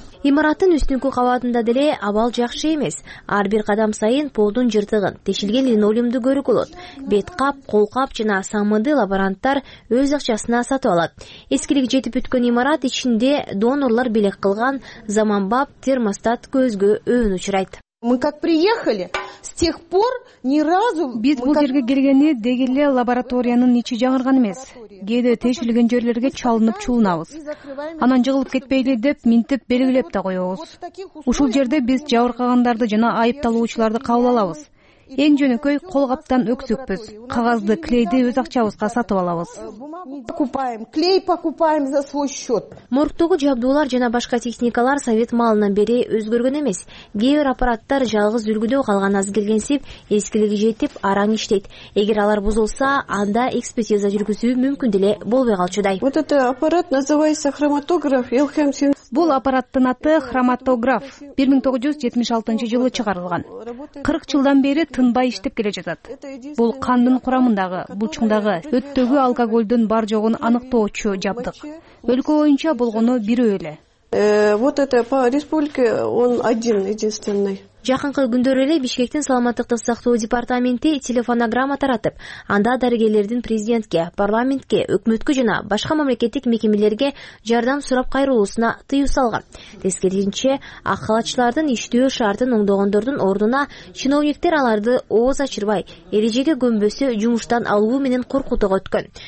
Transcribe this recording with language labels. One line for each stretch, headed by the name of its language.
Kyrgyz: Имараттын үстүнкү кабатында деле абал жакшы эмес. Ар бир кадам сайын полдун жыртыгын, тешилген линолеумду көрүп алат. Беткап, колкап жана самыды лаборанттар өз акчасына сатып алат. Эскилиги жетип бүткөн имарат ичинде донорлор белек кылган заманбап термостат көзгө өөн учурайт.
Russian: Мы как приехали, с тех пор ни разу...
Kyrgyz: Биз бул жерге келгенде деги эле лабораториянын ичи жаңырган эмес. Кээде тешилген жерлерге чалынып чуунабыз. Анан жыгылып кетпейли деп минтип белгилеп да коебуз. Ушул жерде биз жабыркагандарды жана айыпталуучуларды кабыл алабыз. Эң жөнөкөй колгаптан өксүкпүз. Кагазды, клейди өз акчабызга сатып алабыз.
Russian: Покупаем, клей покупаем за свой счёт.
Kyrgyz: Морктогу жабдуулар жана башка техникалар совет малынан бери өзгөргөн эмес. Кээ бир аппараттар жалгыз үлгүдө калган аз келгенсип, эскилиги жетип, араң иштейт. Эгер алар бузулса, анда экспертиза жүргүзүү мүмкүн деле болбой калчудай.
Russian: Вот этот аппарат называется хроматограф Elkem.
Kyrgyz: Бул аппараттын аты хроматограф. 1976 жылы чыгарылган. 40 жылдан бери тынбай иштеп келе жатат. Бул кандын курамындагы, булчуңдагы, өттөгү алкоголдун бар жогун аныктоочу жабдык. Өлкө боюнча болгону бирөө эле.
Russian: Вот это по республике он один единственный.
Kyrgyz: Жакынкы күндөрү эле Бишкектин саламаттыкты сактоо департаменти телефонограмма таратып, анда дарыгерлердин президентке, парламентке, өкмөткө жана башка мамлекеттик мекемелерге жардам сурап кайрылуусуна тыюу салган. Тескерисинче, ак халатчылардын иштөө шартын оңдогондордун ордуна чиновниктер аларды ооз ачырбай, эрежеге көнбөсө жумуштан алуу менен коркутууга өткөн.